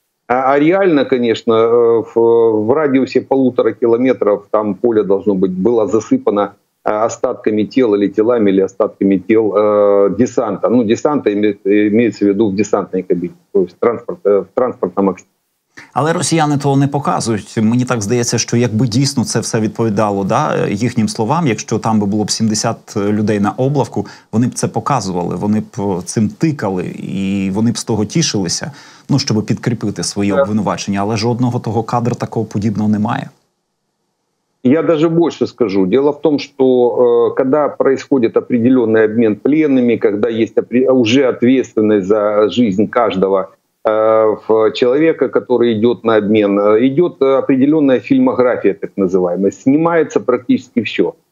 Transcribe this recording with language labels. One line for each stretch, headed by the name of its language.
Russian: А реально, конечно, в радиусе 1,5 километра там поле должно быть было засыпано остатками тел или телами, или остатками тел десанта. Ну, десанта имеется в виду в десантной кабине, то есть в транспортном аксессе.
Ukrainian: Але росіяни того не показують. Мені так здається, що якби дійсно це все відповідало, да, їхнім словам, якщо там би було б 70 людей на облавку, вони б це показували, вони б цим тикали, і вони б з того тішилися, ну, щоб підкріпити свої обвинувачення. Але жодного того кадру такого подібного немає.
Russian: Я даже больше скажу. Дело в том, что когда происходит определенный обмен пленными, когда есть уже ответственность за жизнь каждого в человека, который идет на обмен, идет определенная фильмография, так называемая, снимается практически все.